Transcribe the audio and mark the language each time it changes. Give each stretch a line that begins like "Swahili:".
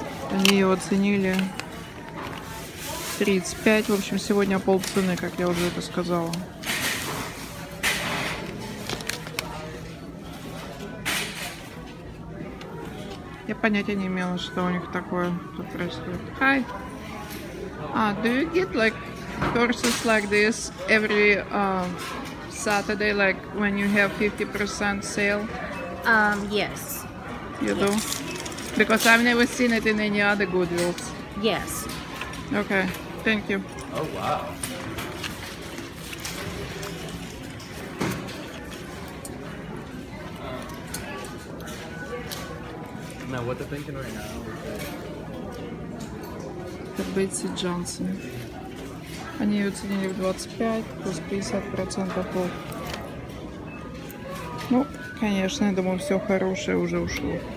Russian: Они ее оценили 35. В общем, сегодня полцены, как я уже это сказала. Я понятия не имела, что у них такое тут происходит.
English: Hi. Do you get like courses like this every Saturday, like when you have 50% sale? Yes. You do? Because I've never seen it in any other Goodwills. Yes. Okay. Thank you. Oh wow. Now, what they're thinking right now is that... The Betsy Johnson.
Russian: Они ее оценили в 25, плюс 50% off. Ну, конечно, я думаю, все хорошее уже ушло.